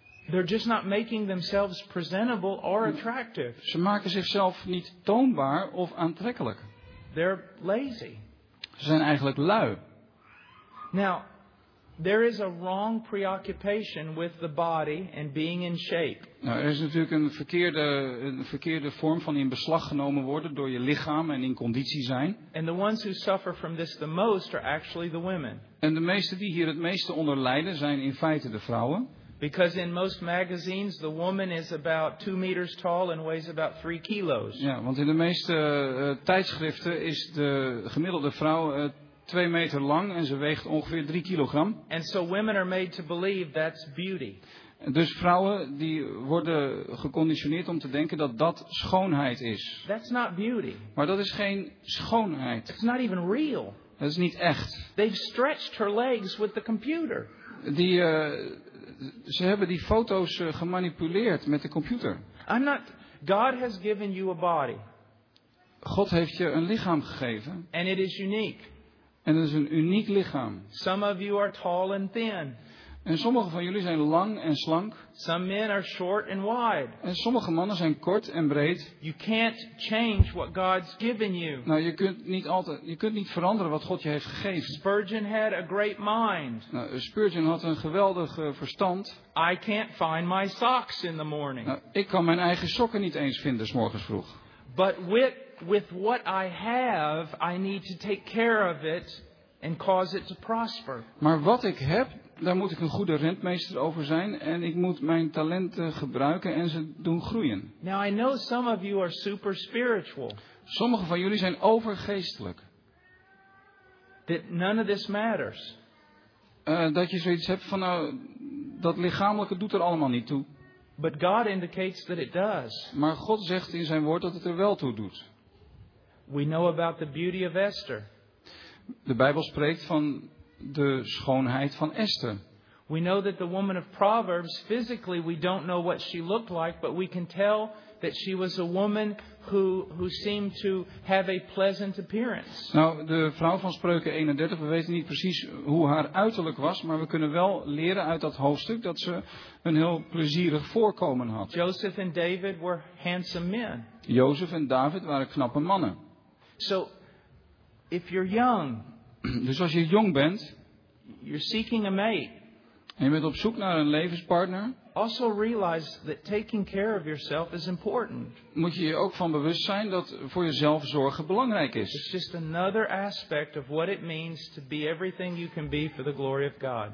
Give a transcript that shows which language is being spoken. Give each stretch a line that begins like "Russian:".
English: They're just not making themselves presentable or attractive.
Dutch: Ze maken zichzelf niet toonbaar of aantrekkelijk.
English: They're lazy.
Dutch: Ze zijn eigenlijk lui.
English: Now, there is a wrong preoccupation with the body and being in shape.
Dutch: Nou, er is natuurlijk een verkeerde vorm van in beslag genomen worden door je lichaam en in conditie zijn.
English: And the ones who suffer from this the most are actually the women.
Dutch: En de meesten die hier het meeste onder lijden zijn in feite de vrouwen.
English: Because in most magazines the woman is about 2 meters tall and weighs about 3 kilos.
Dutch: Ja, want in de meeste tijdschriften is de gemiddelde vrouw 2 meter lang en ze weegt ongeveer 3 kilogram.
English: And so women are made to believe that's beauty.
Dutch: Dus vrouwen die worden geconditioneerd om te denken dat dat schoonheid is.
English: That's not beauty.
Dutch: Maar dat is geen schoonheid.
English: It's not even real.
Dutch: Dat is niet echt.
English: They've stretched her legs with the computer.
Dutch: Ze hebben die foto's gemanipuleerd met de computer.
English: God has given you a body.
Dutch: God heeft je een lichaam gegeven.
English: And it is unique.
Dutch: En het is een uniek lichaam.
English: Some of you are tall and thin.
Dutch: En sommige van jullie zijn lang en slank.
English: Some men are short and wide.
Dutch: En sommige mannen zijn kort en breed.
English: You can't change what God's given you.
Dutch: Nou, je kunt niet veranderen wat God je heeft gegeven.
English: Spurgeon had a great mind.
Dutch: Nou, Spurgeon had een geweldig verstand.
English: I can't find my socks in the morning.
Dutch: Nou, ik kan mijn eigen sokken niet eens vinden 's morgens vroeg.
English: But with what I have, I need to take care of it and cause it to prosper.
Dutch: Maar wat ik heb, daar moet ik een goede rentmeester over zijn en ik moet mijn talenten gebruiken en ze doen groeien.
English: Now I know some of you are super spiritual.
Dutch: Sommige van jullie zijn overgeestelijk.
English: That none of this matters.
Dutch: Dat je zoiets hebt van nou, dat lichamelijke doet er allemaal niet toe.
English: But God indicates that it does.
Dutch: Maar God zegt in zijn woord dat het er wel toe doet.
English: We know about the beauty of Esther.
Dutch: De Bijbel spreekt van de schoonheid van Esther.
English: We know that the woman of Proverbs physically we don't know what she looked like, but we can tell that she was a woman who seemed to have a pleasant appearance.
Dutch: Nou, de vrouw van Spreuken 31, we weten niet precies hoe haar uiterlijk was, maar we kunnen wel leren uit dat hoofdstuk dat ze een heel plezierig voorkomen had.
English: Joseph and David were handsome men.
Dutch: Jozef en David waren knappe mannen.
English: So if you're young,
Dutch: dus als je jong bent,
English: you're seeking a mate.
Dutch: En je bent op zoek naar een levenspartner.
English: Also realize that taking care of yourself is important.
Dutch: Moet je je ook van bewust zijn dat voor jezelf zorgen belangrijk is.
English: It's just another aspect of what it means to be everything you can be for the glory of God.